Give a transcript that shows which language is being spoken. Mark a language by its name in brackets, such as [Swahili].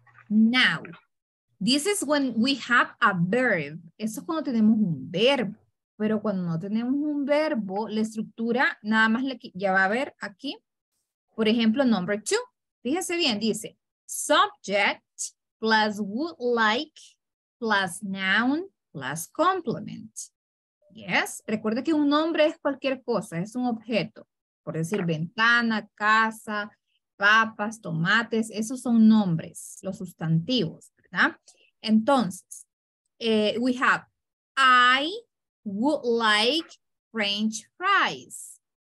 [English] Now, this is when we have a verb. [Spanish] Eso es cuando tenemos un verbo. Pero cuando no tenemos un verbo, la estructura nada más le ya va a ver aquí. Por ejemplo, [English] number two. [Spanish] Fíjese bien, dice [English] subject plus would like plus noun plus complement. Yes. [Spanish] Recuerde que un nombre es cualquier cosa, es un objeto. Por decir, ventana, casa, papas, tomates, esos son nombres, los sustantivos, ¿verdad? [English] Entonces, we have, I would like French fries.